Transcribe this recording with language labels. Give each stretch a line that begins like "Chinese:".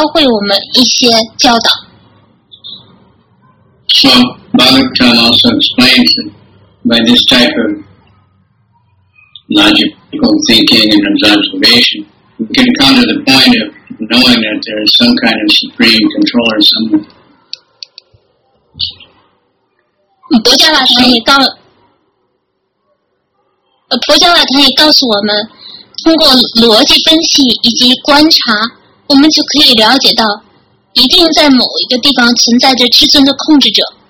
Chinese: 有动物、山、树木，就是这些事物，每一样事物都可以教会我们一些教导。
English: So Bhagavatam also explains that by this type of logical thinking and observation, we can come to the point of knowing that there is some kind of supreme controller somewhere.
Chinese: Bodhya Vata也告诉我们，通过逻辑分析以及观察，我们就可以了解到，一定在某一个地方存在着至尊的控制者。